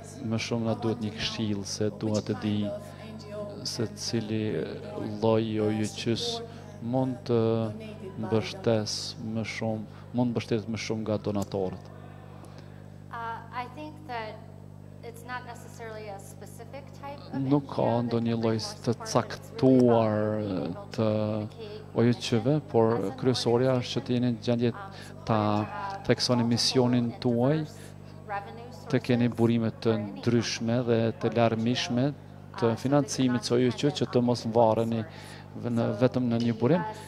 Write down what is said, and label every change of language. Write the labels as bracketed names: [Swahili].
[Albanian] Më shumë na duhet një këshill se dua të di se cili lloj OJQ-s mund të mbështes më shumë, mund të mbështetet më shumë nga donatorët. [English] I think that it's not necessarily a specific type of [Albanian] OJQ. Nuk ka ndonjë lloj të caktuar të OJQ-ve, por kryesorja është që të jeni gjendje ta theksoni misionin tuaj, të keni burime të ndryshme dhe të larmishme të financimit të OJQ që të mos varreni vetëm në një burim.